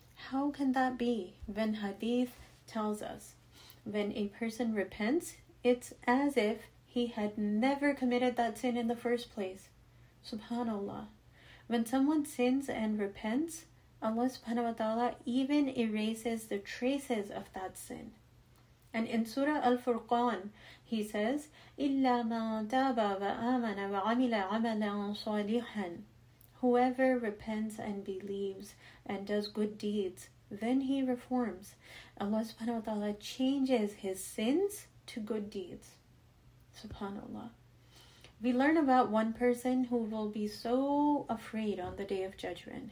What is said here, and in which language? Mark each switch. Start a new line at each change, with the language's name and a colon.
English: How can that be when hadith tells us when a person repents, it's as if he had never committed that sin in the first place. Subhanallah. When someone sins and repents, Allah subhanahu wa ta'ala even erases the traces of that sin. And in Surah Al-Furqan, he says,
Arabic: إِلَّا مَنْ تَابَ وَآمَنَ وَعَمِلَ عَمَلًا صَالِحًا.
English: Whoever repents and believes and does good deeds, then he reforms. Allah subhanahu wa ta'ala changes his sins to good deeds. Subhanallah. We learn about one person who will be so afraid on the Day of Judgment.